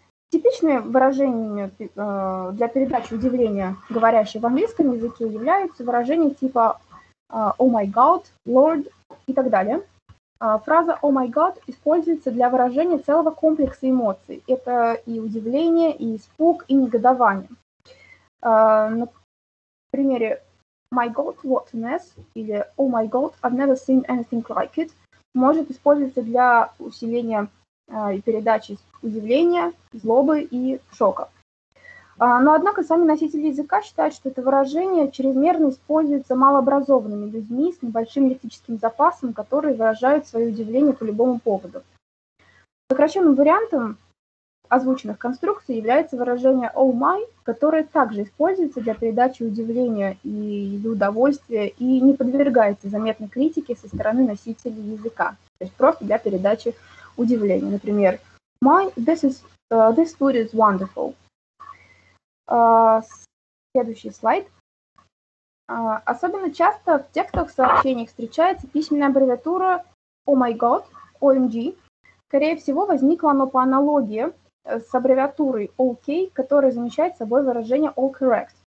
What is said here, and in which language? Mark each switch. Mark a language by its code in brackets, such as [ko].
[ru] Типичными выражениями для передачи удивления говорящего в английском языке являются выражения типа «Oh my God», «Lord» и так далее. Фраза «Oh my God» используется для выражения целого комплекса эмоций. Это и удивление, и испуг, и негодование. На примере [en] «My God, what a mess» [ru] или [en] «Oh my God, I've never seen anything like it» [ru] может использоваться для усиления и передачи удивления, злобы и шока. Но, однако, сами носители языка считают, что это выражение чрезмерно используется малообразованными людьми с небольшим лексическим запасом, которые выражают свое удивление по любому поводу. Сокращенным вариантом озвученных конструкций является выражение «oh my», которое также используется для передачи удивления и удовольствия и не подвергается заметной критике со стороны носителей языка, то есть просто для передачи удивление. Например, [en] this food is wonderful. [ru] Следующий слайд. Особенно часто в текстовых сообщениях встречается письменная аббревиатура Oh my God, OMG. Скорее всего, возникло оно по аналогии с аббревиатурой OK, которая замещает собой выражение All correct.